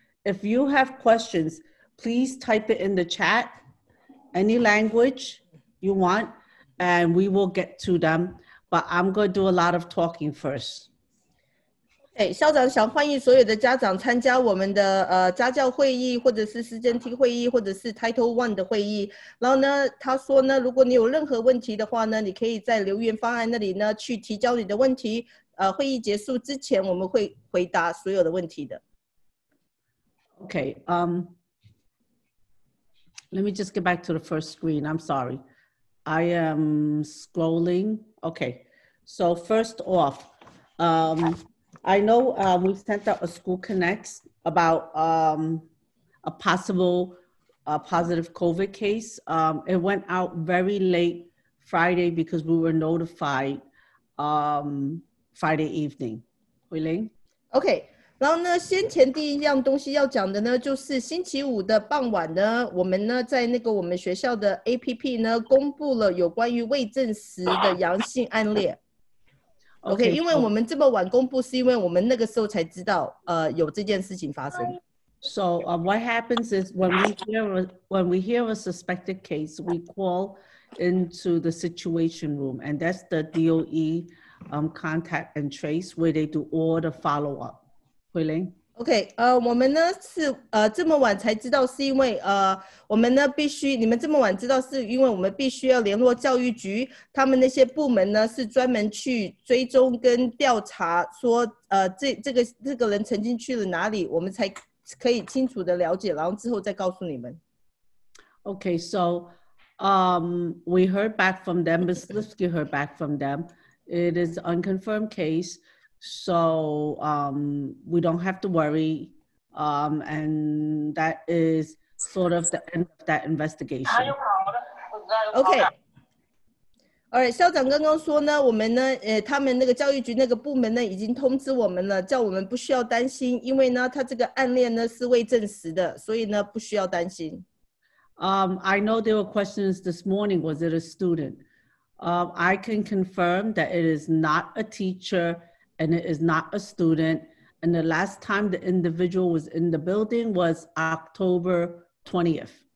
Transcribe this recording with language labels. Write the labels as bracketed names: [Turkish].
[English] If you have questions, please type it in the chat, any language you want, and we will get to them. But I'm going to do a lot of talking first. [Chinese] 校长想欢迎所有的家长参加我们的家教会议，或者是师政厅会议，或者是 Title I 的会议。然后呢，他说呢，如果你有任何问题的话呢，你可以在留言方案那里呢去提交你的问题。会议结束之前，我们会回答所有的问题的。 [English] Okay, let me just get back to the first screen. I'm sorry, I am scrolling. Okay, so first off, I know we sent out a School Connects about a possible positive COVID case. It went out very late Friday because we were notified Friday evening. Hui Ling? Okay. [Chinese] 然后呢，先前第一样东西要讲的呢，就是星期五的傍晚呢，我们呢在那个我们学校的 APP 呢，公布了有关于未证实的阳性案例。 Okay, 因为我们这么晚公布，是因为我们那个时候才知道，有这件事情发生。 [English] So, what happens is when we hear a suspected case, we call into the situation room, and that's the DOE contact and trace where they do all the follow up. [Chinese] 慧玲，Okay， 我们呢是这么晚才知道，是因为我们呢必须，你们这么晚知道，是因为我们必须要联络教育局，他们那些部门呢是专门去追踪跟调查说，这个人曾经去了哪里，我们才可以清楚的了解，然后之后再告诉你们。 [English] Okay, so we heard back from them. Ms. Lipsky heard back from them. It is an unconfirmed case. So we don't have to worry, and that is sort of the end of that investigation. Okay. All right. [Chinese] 校长刚刚说呢，我们呢，他们那个教育局那个部门呢，已经通知我们了，叫我们不需要担心，因为呢，他这个案例呢是未证实的，所以呢不需要担心。 [English] I know there were questions this morning. Was it a student? I can confirm that it is not a teacher. And it is not a student. And the last time the individual was in the building was October 20th.